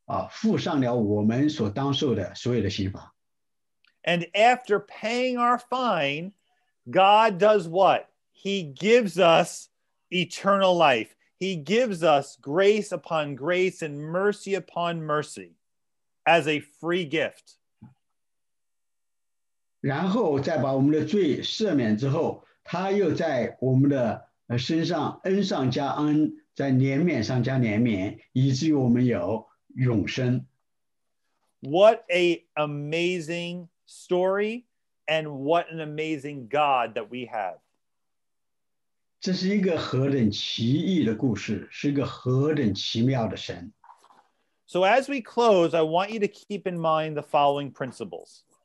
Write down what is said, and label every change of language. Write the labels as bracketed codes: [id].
[zh] 付上了我们所当受的所有的刑罚。 [en] And after paying our fine, God does what? He gives us eternal life. He gives us grace upon grace and mercy upon mercy as a free gift. [zh] 然后再把我们的罪赦免之后，他又在我们的身上恩上加恩，在怜悯上加怜悯，以至于我们有永生。 [en] What a amazing story, and what an amazing God that we have. [zh] 这是一个何等奇异的故事，是一个何等奇妙的神。 [en] So as we close, I want you to keep in mind the following principles.